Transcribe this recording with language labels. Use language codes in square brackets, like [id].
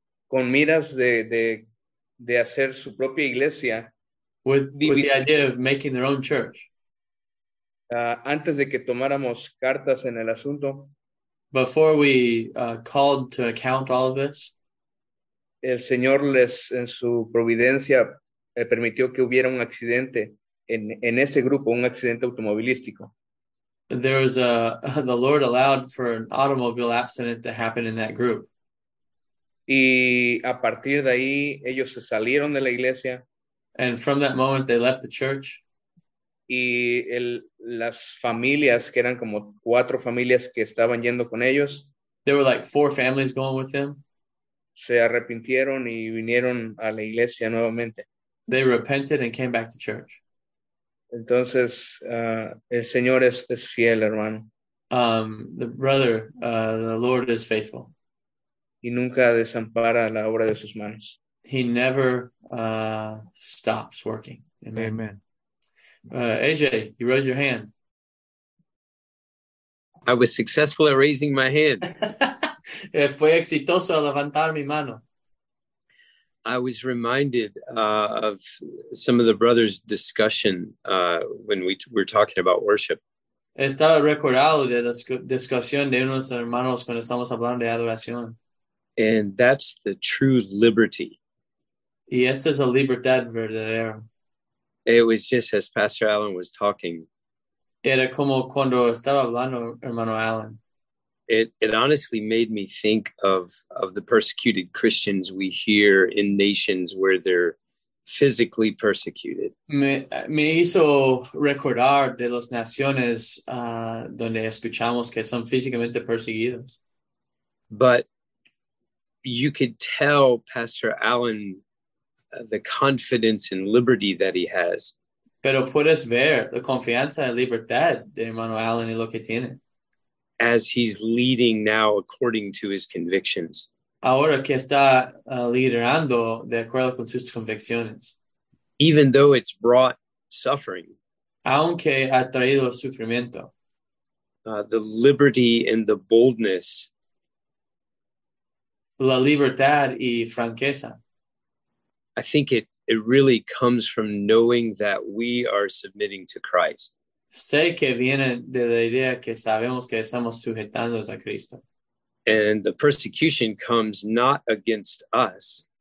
[es] Con miras de hacer su propia iglesia. [en] With the idea of making their own church. [es] Antes de que tomáramos cartas en el asunto. [en] Before we called to account all of this. [es] El Señor les, en su providencia, permitió que hubiera un accidente. En ese grupo, un accidente automovilístico. [en] There was the Lord allowed for an automobile accident to happen in that group. [es] Y a partir de ahí, ellos se salieron de la iglesia. [en] And from that moment, they left the church. [es] Y las familias, que eran como 4 familias que estaban yendo con ellos. [en] There were like 4 families going with them. [es] Se arrepintieron y vinieron a la iglesia nuevamente. [en] They repented and came back to church. [es] Entonces, el Señor es fiel, hermano. [en] The Lord is faithful. [es] Y nunca desampara la obra de sus manos. [en] He never stops working. Amen. Amen. AJ, you raised your hand. I was successful at raising my hand. [es] Fue exitoso levantar mi mano. [en] I was reminded of some of the brothers' discussion when we were talking about worship. [es] Estaba recordado de la discusión de unos hermanos cuando estamos hablando de adoración. [en] And that's the true liberty. [es] Y esta es la libertad verdadera. [en] It was just as Pastor Allen was talking. [es] Era como cuando estaba hablando hermano Allen. [en] It honestly made me think of the persecuted Christians we hear in nations where they're physically persecuted. [es] Me hizo recordar de las naciones donde escuchamos que son físicamente perseguidos. [en] But you could tell Pastor Allen the confidence and liberty that he has. [es] Pero puedes ver la confianza y libertad de hermano Allen y lo que tiene. [en] As he's leading now according to his convictions. [es] Ahora que está liderando de acuerdo con sus convicciones. [en] Even though it's brought suffering. [es] Aunque ha traído sufrimiento. [en] the liberty and the boldness. [es] La libertad y franqueza. [en] I think it really comes from knowing that we are submitting to Christ. [es] Sé que viene de la idea que sabemos que estamos sujetándonos a Cristo. [en] And the persecution comes not against us.